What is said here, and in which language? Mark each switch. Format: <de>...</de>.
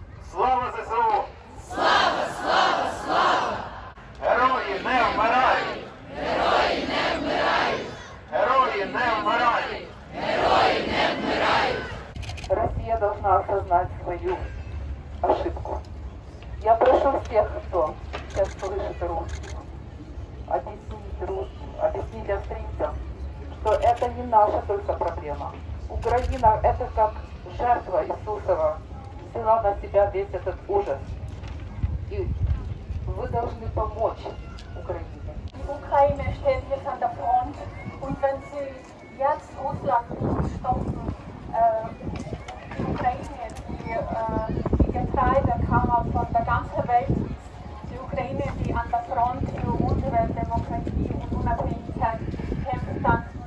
<uk>Слава ЗСУ! Слава, слава, слава! Герої не вмирають! Герої не вмирають! Герої не вмирають! Герої не вмирають! Росія повинна осознати свою ошибку.</uk> <ru>Я прошу</ru> <uk>всіх, хто зараз</uk> <ru>слышить русского, объяснить русским, объяснить австрийцам, что это не наша только проблема. Украина — это как жертва Иисусова взяла на себя весь этот ужас. И вы должны помочь Украине. Украина стоит здесь на фронте, и если сейчас Россия не стоит, Украине,</ru> <de>die Getreidekammer von der ganzen Welt ist. Die Ukraine, die an der Front für unsere Demokratie und Unabhängigkeit kämpft, dann</de>